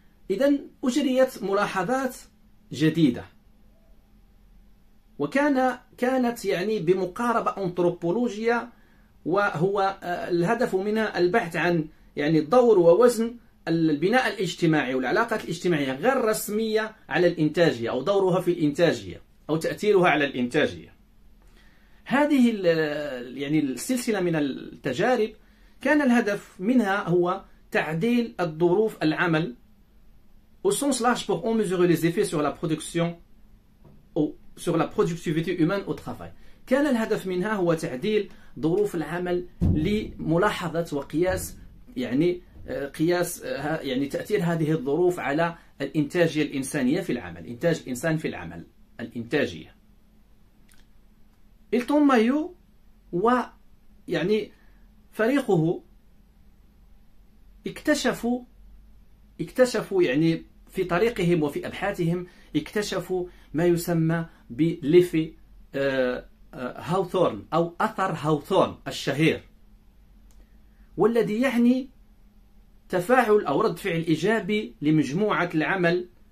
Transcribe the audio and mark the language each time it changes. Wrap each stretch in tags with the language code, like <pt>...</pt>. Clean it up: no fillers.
<ar>إذن أجريت ملاحظات جديدة وكانت يعني بمقاربة أنثروبولوجية، وهو الهدف منها البحث عن يعني الدور ووزن البناء الاجتماعي والعلاقات الاجتماعية غير رسمية على الإنتاجية أو دورها في الإنتاجية أو تأثيرها على الإنتاجية. هذه يعني السلسلة من التجارب كان الهدف منها هو تعديل الظروف العمل</ar> <fr>au sens large pour en mesurer les effets sur la production ou sur la productivité humaine au travail.</fr> <ar>كان الهدف منها هو تعديل ظروف العمل لملاحظة وقياس يعني قياس يعني تأثير هذه الظروف على الإنتاجية الإنسانية في العمل، إنتاج الإنسان في العمل الإنتاجية. إيلتون مايو ويعني فريقه اكتشفوا يعني في طريقهم وفي أبحاثهم اكتشفوا ما يسمى بليفي هاوثورن أو أثر هاوثورن الشهير، والذي يعني تفاعل أو رد فعل إيجابي لمجموعة العمل</ar>